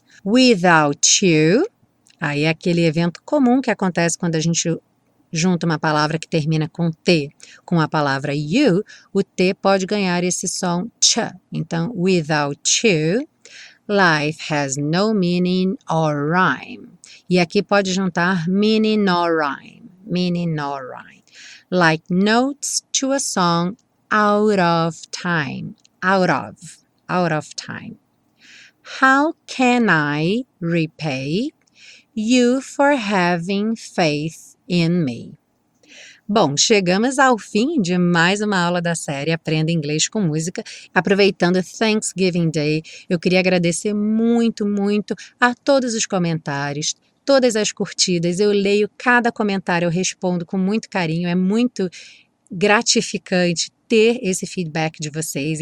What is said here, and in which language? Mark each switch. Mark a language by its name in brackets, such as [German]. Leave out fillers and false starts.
[English] Without you, [Portuguese] aí é aquele evento comum que acontece quando a gente junta uma palavra que termina com T com a palavra you, o T pode ganhar esse som ch. [English] Então, without you, life has no meaning or rhyme. [Portuguese] E aqui pode juntar [English] meaning or rhyme. Meaning or rhyme. Like notes to a song out of time. Out of time. How can I repay you for having faith in me? [Portuguese] Bom, chegamos ao fim de mais uma aula da série Aprenda Inglês com Música. Aproveitando Thanksgiving Day, eu queria agradecer muito, muito a todos os comentários, todas as curtidas. Eu leio cada comentário, eu respondo com muito carinho, é muito gratificante ter esse feedback de vocês.